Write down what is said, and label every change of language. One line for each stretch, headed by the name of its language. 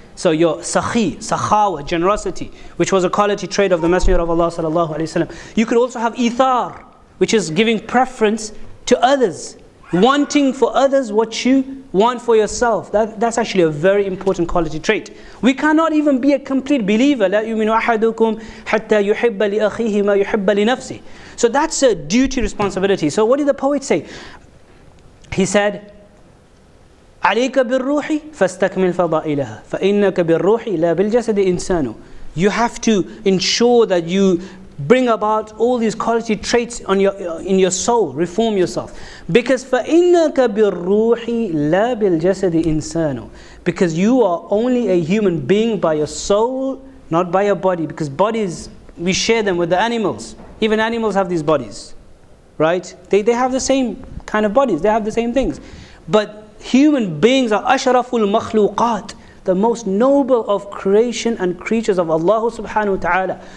English: So your sakhi, sakhawa, generosity, which was a quality trait of the Messenger of Allah sallallahu alayhi wa sallam. You could also have ithar, which is giving preference to others, wanting for others what you want for yourself. That's actually a very important quality trait. We cannot even be a complete believer.
Arabic: لا يؤمن أحدكم حتى يحب لأخيه ما يحب لنفسه.
English: So that's a duty responsibility. So what did the poet say? He said,
Arabic: عليك بالروح فاستكمل فضائلها فإنك بالروح لا بالجسد إنسان.
English: You have to ensure that you bring about all these quality traits in your soul, reform yourself. Because
Arabic: فَإِنَّكَ بِالرُّوحِ لَا بِالْجَسَدِ إِنسَانُ.
English: Because you are only a human being by your soul, not by your body. Because bodies, we share them with the animals. Even animals have these bodies, right? They have the same kind of bodies, they have the same things. But human beings are
Arabic: أَشْرَفُ الْمَخْلُوقَاتِ,
English: the most noble of creation and creatures of Allah subhanahu wa ta'ala.